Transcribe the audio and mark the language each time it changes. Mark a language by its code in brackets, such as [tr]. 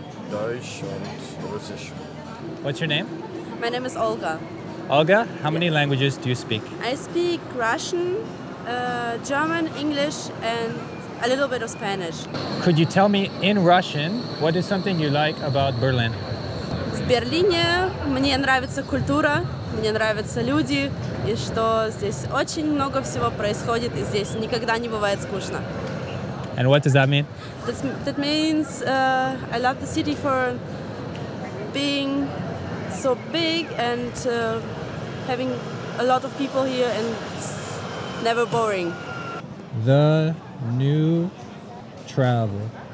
[de] Deutsch und Russisch. [en] What's your name? My name is Olga. Olga, how many languages do you speak? I speak Russian, German, English, and a little bit of Spanish. Could you tell me in Russian what is something you like about Berlin? [ru] В Берлине мне нравится культура, мне нравятся люди, и что здесь очень много всего происходит, и здесь никогда не бывает скучно. [en] And what does that mean? That means I love the city for being so big and having a lot of people here, and it's never boring. The new travel.